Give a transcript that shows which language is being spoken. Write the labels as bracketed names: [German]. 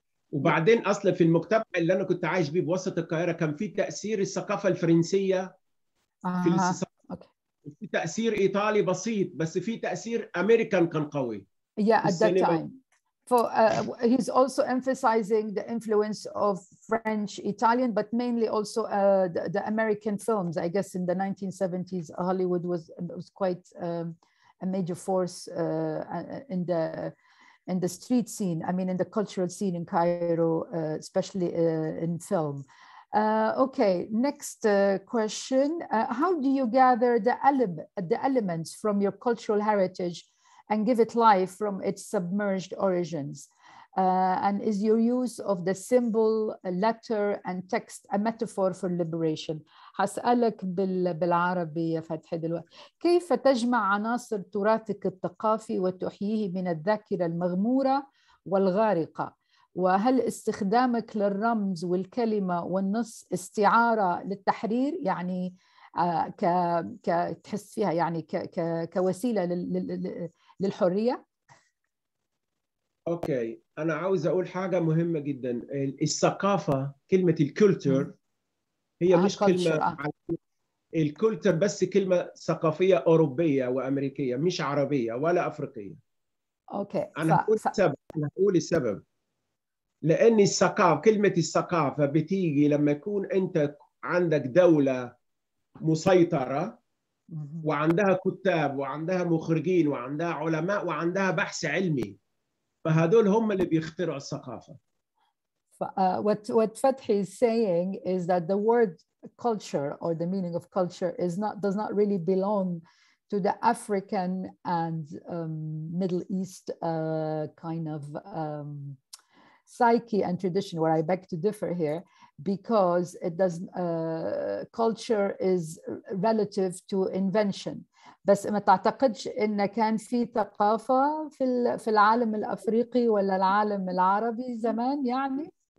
[Arabic] وبعدين أصلا في المجتمع اللي أنا كنت عايش بيه بوسط القاهرة كان في تأثير الثقافة الفرنسية في في تأثير إيطالي بسيط، بس في تأثير أمريكان كان قوي. [English] Yeah, at that time. for he's also emphasizing the influence of French, Italian, but mainly also the American films. I guess in the 1970s, Hollywood was quite a major force in the street scene. I mean, in the cultural scene in Cairo, especially in film. Okay, next question. How do you gather the elements from your cultural heritage and give it life from its submerged origins? And is your use of the symbol, letter, and text a metaphor for liberation? [Arabic] هسألك بالعربي يا فتحي دلوقتي. كيف تجمع عناصر تراثك الثقافي وتحييه من الذاكرة المغمورة والغارقة؟ وهل استخدامك للرمز والكلمة والنص استعارة للتحرير؟ يعني كتحس فيها يعني كوسيلة للحرية؟ أوكي، أنا عاوز أقول حاجة مهمة جداً. الثقافة، كلمة الكولتر هي مش كلمة الكولتر بس، كلمة ثقافية أوروبية وأمريكية، مش عربية ولا أفريقية. أوكي. أنا هقول السبب لأن الثقافة، كلمة الثقافة بتيجي لما يكون أنت عندك دولة مسيطرة وعندها كتاب وعندها مخرجين وعندها علماء وعندها بحث علمي، فهذول هم اللي بيخترعوا الثقافة. [English] What Fathi is saying is that the word culture or the meaning of culture is not, does not really belong to the African and Middle East kind of psyche and tradition, where I beg to differ here, because it doesn't culture is relative to invention. [Arabic] بس ما تعتقدش ان كان في ثقافه في العالم الافريقي ولا العالم العربي زمان؟ يعني